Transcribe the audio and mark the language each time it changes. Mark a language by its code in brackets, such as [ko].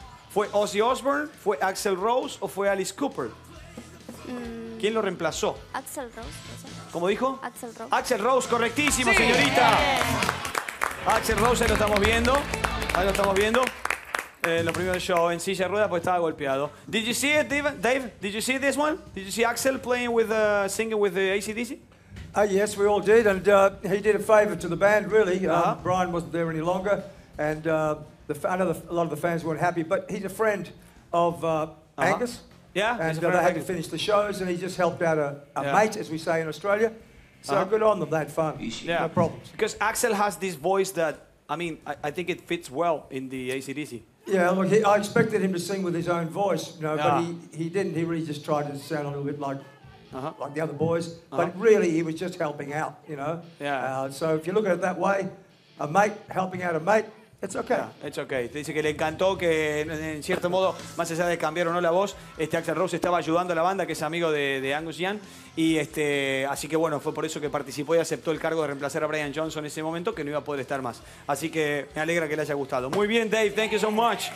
[es] ¿Fue Ozzy Osbourne, fue Axl Rose o fue Alice Cooper? ¿Quién lo reemplazó? Axl Rose. ¿Cómo dijo? Axl Rose. Axl Rose, correctísimo, sí. Señorita. [en] Yeah. [es] Axl Rose, ahí lo estamos viendo. Ahí lo estamos viendo. En los primeros shows en silla de ruedas pues estaba golpeado. [en] Did you see it, Dave? Did you see this one? Did you see Axel playing with singing with the AC/DC? Yes, we all did, and he did a favor to the band, really. Brian wasn't there any longer, and I know a lot of the fans weren't happy, but he's a friend of Angus. Yeah, and they had to finish the shows, and he just helped out a mate, as we say in Australia. So good on the band, fun. Yeah. No problems. Because Axel has this voice that, I mean, I think it fits well in the AC/DC. Yeah, look, I expected him to sing with his own voice, you know, but he didn't. He really just tried to sound a little bit like the other boys. But really, he was just helping out, you know. Yeah. So if you look at it that way, a mate helping out a mate, it's okay. Yeah, it's okay. [es] Te dice que le encantó que, en cierto modo, más allá de cambiar o no la voz, Axl Rose estaba ayudando a la banda, que es amigo de Angus Young. Y así que bueno, fue por eso que participó y aceptó el cargo de reemplazar a Brian Johnson en ese momento, que no iba a poder estar más. Así que me alegra que le haya gustado. Muy bien, Dave. [en] Thank you so much.